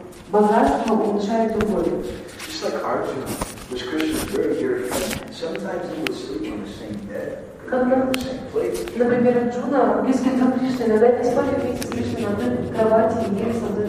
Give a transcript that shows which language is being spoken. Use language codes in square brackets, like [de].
[ru] Богатство уменьшает боль. [en] Just like Arjuna, this Krishna's very dear friend, sometimes he would sleep on the same bed. [ru] Например, Арджуна, близкий друг Кришны, иногда не спал вместе с Кришной на одной кровати и ел с одной